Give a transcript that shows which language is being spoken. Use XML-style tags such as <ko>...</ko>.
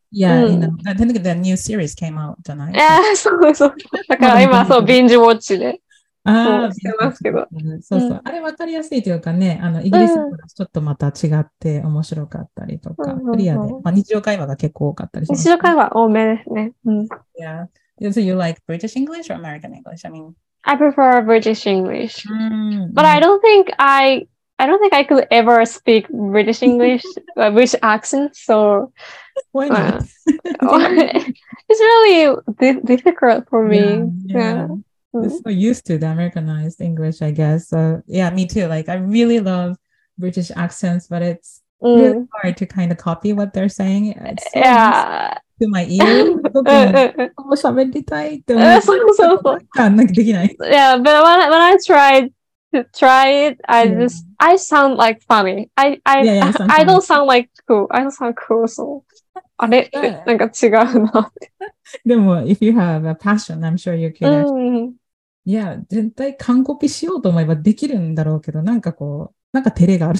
<en>Yeah, I think the new series came out tonight.</en> <ja>Yeah, そうそう。だから今、そう、ビンジウォッチで。そうそう。あれ分かりやすいというかね、あの、イギリスとちょっとまた違って面白かったりとか、クリアで、まあ、日常会話が結構多かったりします。 日常会話多めですね。</ja> <en>Yeah. So you like British English or American English? I mean, I prefer British English, but I don't think I could ever speak British English, British accent. So why not? It's really difficult for me. Yeah. I'm so used to the Americanized English, I guess. So yeah, me too. Like I really love British accents, but it's really hard to kind of copy what they're saying. It's so to my ear. But when I try it, I just, I sound like funny. I don't sound like cool. I don't sound cool. So, if you have a passion, I'm sure you can.</en> <ja>いや、絶対完コピしようと思えばできるんだろうけど、なんかこう、なんか照れがある</ja>